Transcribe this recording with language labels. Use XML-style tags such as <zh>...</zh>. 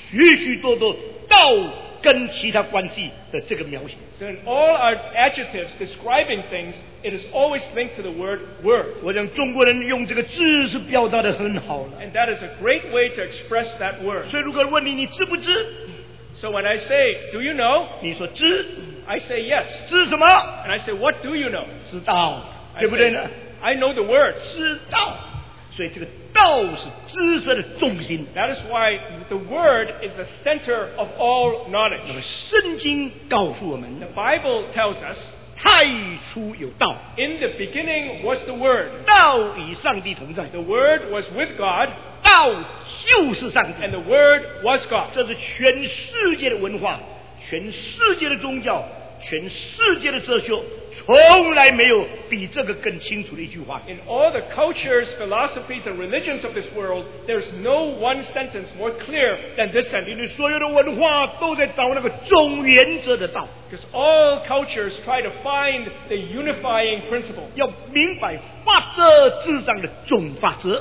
<zh>所以呢，道路、道理、道义、道心、道德、道义、道行，许许多多道。跟其他关系的这个描写。</zh> <en>So in all our adjectives describing things, it is always linked to the word.</en> <zh>我想中国人用这个字是表达得很好了。</zh> <en>And that is a great way to express that word.</en> <zh>所以如果问你，你知不知？</zh> <en>So when I say, do you know?</en> <zh>你说知。</zh> <en>I say yes.</en> <zh>知什么？</zh> <en>And I say, what do you know?</en> <zh>知道，对不对呢？</zh> <en>I know the word.</en> <zh>知道。所以这个道是知识的重心。</zh> <en>That is why the word is the center of all knowledge.</en> <zh>那么圣经告诉我们，</zh> <en>The Bible tells us,</en> <zh>太初有道。</zh> <en>In the beginning was the word.</en> <zh>道与上帝同在。</zh> <en>The word was with God.</en> <zh>道就是上帝。</zh> <en>And the word was God.</en> <zh>这是全世界的文化， 全世界的宗教， 全世界的哲学， 从来没有比这个更清楚的一句话。</zh> <en>In all the cultures, philosophies, and religions of this world, there's no one sentence more clear than this sentence.</en> <zh>所有的文化都在找那个总原则的道。</zh> <en>Because all cultures try to find the unifying principle.</en> <zh>要明白法则之上的总法则。</zh>